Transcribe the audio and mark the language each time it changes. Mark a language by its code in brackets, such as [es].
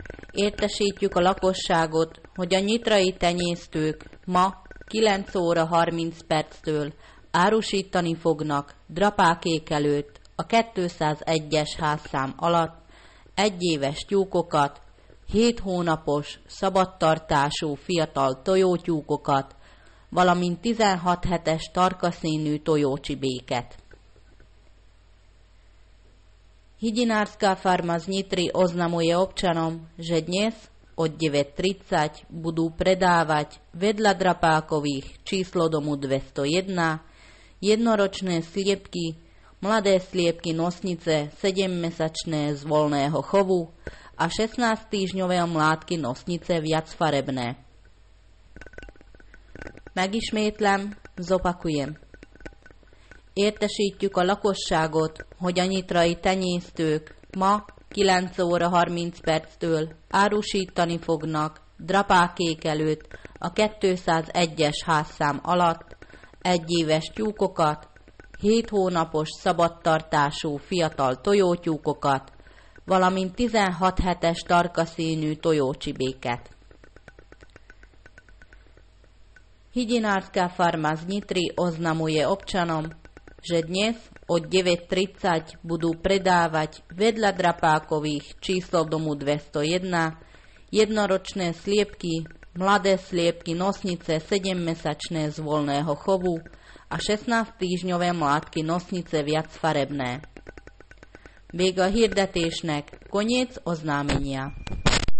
[hu] Értesítjük a lakosságot, hogy a nyitrai tenyésztők ma 9:30-től árusítani fognak drapákék előtt a 201-es házszám alatt egyéves tyúkokat, 7 hónapos szabadtartású fiatal tojótyúkokat, valamint 16 hetes tarkaszínű tojócsibéket. [sk] Higinárszka farmaz nyitri oznamuje občanom, že dnes od 9:30 budú predávať vedľa drapákových číslo domu 201 jednoročné sliepky, mladé sliepky nosnice 7-mesačné z voľného chovu a 16-týždňové mládky nosnice viacfarebné. Megismétlem, zopakujem. [hu] Értesítjük a lakosságot, hogy a nyitrai tenyésztők ma 9:30-től árusítani fognak drapákék előtt a 201-es házszám alatt egyéves tyúkokat, 7 hónapos szabadtartású fiatal tojótyúkokat, valamint 16 hetes tarkaszínű tojócsibéket. [sk] Higinárszka farmaz nyitri oznamuje občanom, že dnes od 9:30 budú predávať vedľa drapákových číslo domu 201 jednoročné sliepky, mladé sliepky nosnice 7-mesačné z voľného chovu a 16-týždňové mládky nosnice viacfarebné. [hu] Vége a hirdetésnek, [sk] koniec oznámenia.